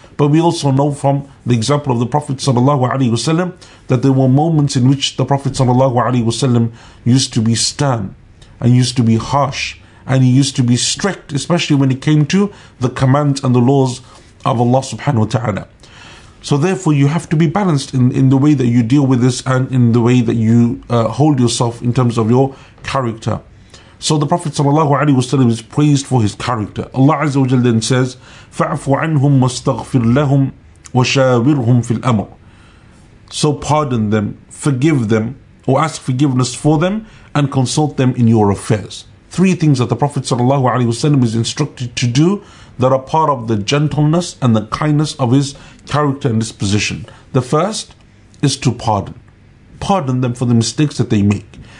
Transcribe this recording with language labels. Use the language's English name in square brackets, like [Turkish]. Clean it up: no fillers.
[English] But we also know from the example of the Prophet sallallahu alaihi wasallam that there were moments in which the Prophet sallallahu alaihi wasallam used to be stern and used to be harsh, and he used to be strict, especially when it came to the commands and the laws of Allah subhanahu wa ta'ala. So therefore, you have to be balanced in the way that you deal with this and in the way that you hold yourself in terms of your character. So the Prophet sallallahu alaihi wasallam is praised for his character. Allah azza wa jalla then says, [Arabic] فَعْفُ عَنْهُمْ وَاسْتَغْفِرْ لَهُمْ وَشَاوِرْهُمْ فِي الْأَمْرِ. [English] So pardon them, forgive them, or ask forgiveness for them, and consult them in your affairs. Three things that the Prophet sallallahu alaihi wasallam is instructed to do that are part of the gentleness and the kindness of his character and disposition. The first is to pardon. Pardon them for the mistakes that they make.